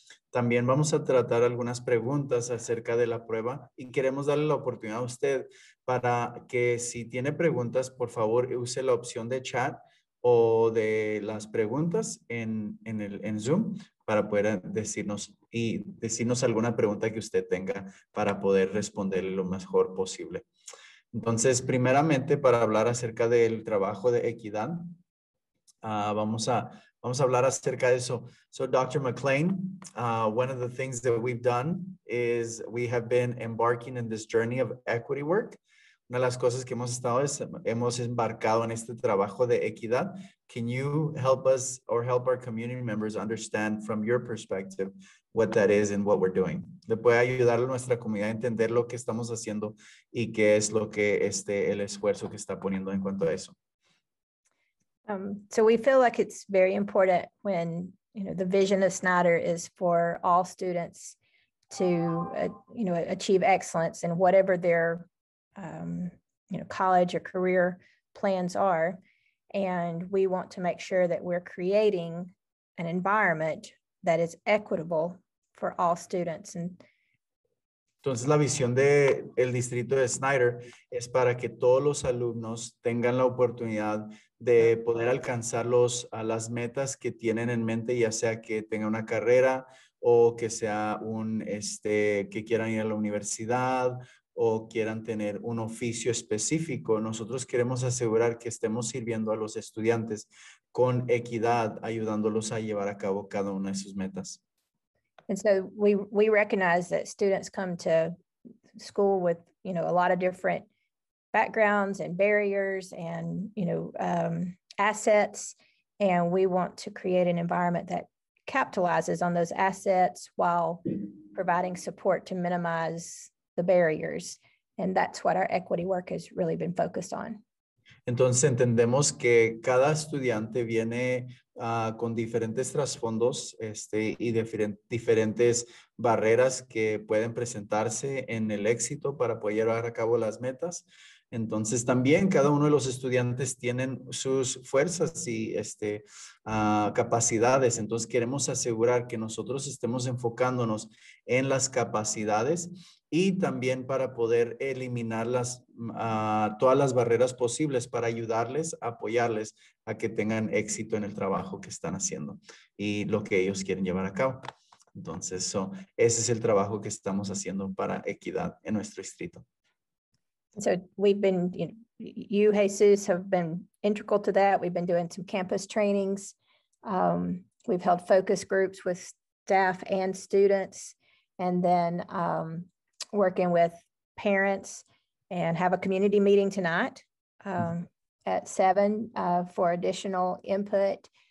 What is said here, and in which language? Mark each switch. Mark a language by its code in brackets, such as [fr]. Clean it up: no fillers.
[es] También vamos a tratar algunas preguntas acerca de la prueba, y queremos darle la oportunidad a usted para que, si tiene preguntas, por favor use la opción de chat o de las preguntas en Zoom para poder decirnos alguna pregunta que usted tenga para poder responder lo mejor posible. Entonces, primeramente, para hablar acerca del trabajo de equidad, vamos a hablar acerca de eso. [en] So, Dr. McLean, one of the things that we've done is we have been embarking in this journey of equity work. [es] Una de las cosas que hemos estado es hemos embarcado en este trabajo de equidad. [en] Can you help us or help our community members understand from your perspective what that is and what we're doing? [es] ¿Le puede ayudar a nuestra comunidad a entender lo que estamos haciendo y qué es lo que el esfuerzo que está poniendo en cuanto a eso? [en] So we feel like it's very important when, you know, the vision of Snyder is for all students to, you know, achieve excellence in whatever their, you know, college or career plans are. And we want to make sure that we're creating an environment that is equitable for all students. And [es] entonces, la visión de el distrito de Snyder es para que todos los alumnos tengan la oportunidad de poder alcanzar las metas que tienen en mente, ya sea que tengan una carrera o que sea que quieran ir a la universidad o quieran tener un oficio específico. Nosotros queremos asegurar que estemos sirviendo a los estudiantes con equidad, ayudándolos a llevar a cabo cada una de sus metas. [en] And so we recognize that students come to school with, you know, a lot of different backgrounds and barriers and, you know, assets. And we want to create an environment that capitalizes on those assets while providing support to minimize the barriers. And that's what our equity work has really been focused on. [es] Entonces, entendemos que cada estudiante viene con diferentes trasfondos y diferentes barreras que pueden presentarse en el éxito para poder llevar a cabo las metas. Entonces, también cada uno de los estudiantes tienen sus fuerzas y capacidades. Entonces, queremos asegurar que nosotros estemos enfocándonos en las capacidades y también para poder eliminar todas las barreras posibles para ayudarles, apoyarles a que tengan éxito en el trabajo que están haciendo y lo que ellos quieren llevar a cabo. Entonces, ese es el trabajo que estamos haciendo para equidad en nuestro distrito. [en] So we've been, you know, you, Jesus, have been integral to that. We've been doing some campus trainings. We've held focus groups with staff and students, and then working with parents, and have a community meeting tonight at 7 for additional input.